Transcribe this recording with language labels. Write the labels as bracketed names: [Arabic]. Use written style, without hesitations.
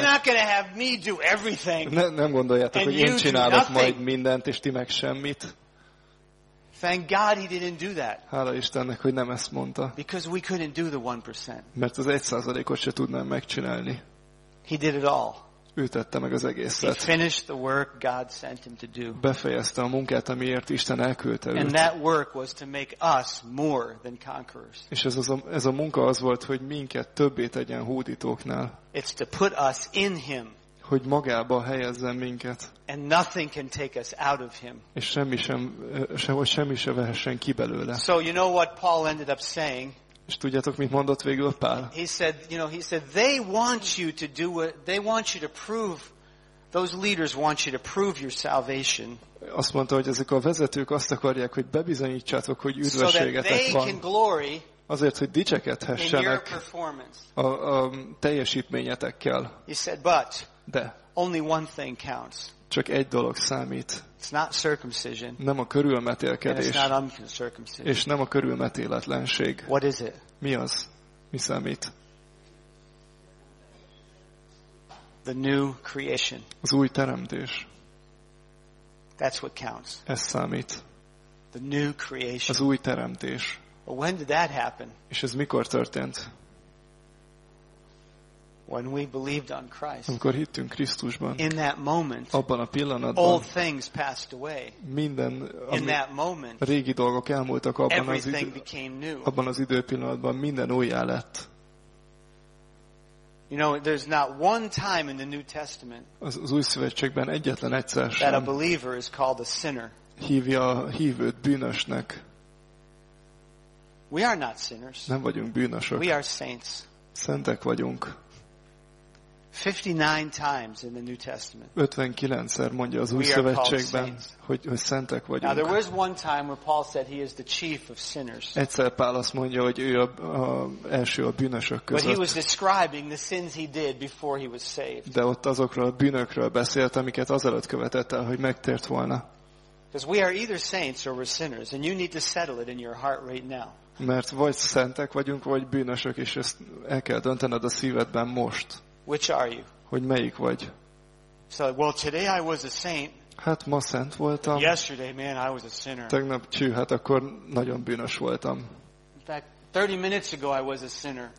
[English] You're not gonna have me do everything. [Hungarian] Nem gondoljátok, hogy én csinálok majd mindent, és ti meg semmit. [English] Thank God he didn't do that. [Hungarian] Hála Istennek, hogy nem ezt mondta. [English] Because we couldn't do the 1%. [Hungarian] Mert az 1%-ot se tudnám megcsinálni. [English] He did it all. [Hungarian] Ő tette meg az egészet. [English] He finished the work God sent him to do. [Hungarian] Befejezte a munkát, amiért Isten elküldte őt. [English] And that work was to make us more than conquerors. [Hungarian] És ez a munka az volt, hogy minket többé tegyen hódítóknál. [English] It's to put us in him. [Hungarian] Hogy magába helyezzen minket. [English] And nothing can take us out of him. [Hungarian] És semmi se vehessen ki belőle. [English] So you know what Paul ended up saying? [Hungarian] És tudjátok, mit mondott végül Pál? [English] He said, you know, he said they want you to do what they want you to prove. Those leaders want you to prove your salvation. [Hungarian] Azt mondta, hogy ezek a vezetők azt akarják, hogy bebizonyítsátok, hogy üdvösségetek van. Azért, hogy dicsekedhessenek a teljesítményetekkel. [English] He said, but [Hungarian] de [English] only one thing counts. [Hungarian] Csak egy dolog számít. [English] It's not circumcision. [Hungarian] Nem a körülmetélkedés. [English] And it's not uncircumcision. [Hungarian] És nem a körülmetéletlenség. [English] What is it? [Hungarian] Mi az? Mi számít? [English] The new creation. [Hungarian] Az új teremtés. [English] That's what counts. [Hungarian] Ez számít. [English] The new creation. [Hungarian] Az új teremtés. [English] But when did that happen? [Hungarian] És ez mikor történt? [English] When we believed on Christ. [Hungarian] Amikor hittünk Krisztusban. [English] In that moment. [Hungarian] Abban a pillanatban. [English] All things passed away. [Hungarian] Minden, [English] in that moment. [Hungarian] Régi dolgok elmúltak abban az időben. [English] Everything became new. [Hungarian] Abban az időpillanatban minden újjá lett. [English] You know, there's not one time in the New Testament. [Hungarian] Az Új Szövetségben egyetlen egyszer sem. [English] That a believer is called a sinner. [Hungarian] Hívja a hívőt bűnösnek. [English] We are not sinners. [Hungarian] Nem vagyunk bűnösök. [English] We are saints. [Hungarian] Szentek vagyunk. [English] 59 times in the New Testament. [Hungarian] 59-szer mondja az Új Szövetségben, hogy szentek vagyunk. [English] Now there was one time where Paul said he is the chief of sinners. [Hungarian] Egyszer Pál azt mondja, hogy ő a első a bűnösök között. [English] But he was describing the sins he did before he was saved. [Hungarian] De ott azokról a bűnökről beszélt, amiket azelőtt követett el, hogy megtért volna. [English] Because we are either saints or we're sinners, and you need to settle it in your heart right now. [Hungarian] Mert vagy szentek vagyunk, vagy bűnösök, és ezt el kell döntened a szívedben most. [English] Which are you? [Hungarian] Hogy melyik vagy? [English] So, well, today I was a saint. [Hungarian] Hát ma szent voltam. [English] Yesterday, man, I was a sinner. [Hungarian] Tegnap, hát akkor nagyon bűnös voltam. [English] In fact, 30 minutes ago I was a sinner.